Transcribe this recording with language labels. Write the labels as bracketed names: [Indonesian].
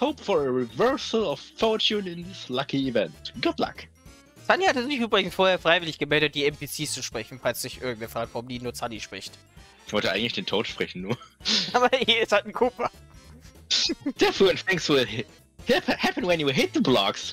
[English] Hope for a reversal of fortune in this lucky event. Good luck. [German] Sunny hatte sich übrigens vorher freiwillig gemeldet, die NPCs zu sprechen, falls sich irgendwer fragt, warum die nur Sunny spricht. Ich wollte eigentlich den Toad sprechen, nur. Aber hier ist halt ein Koopa. [English] Therefore, things will happen when you hit the blocks.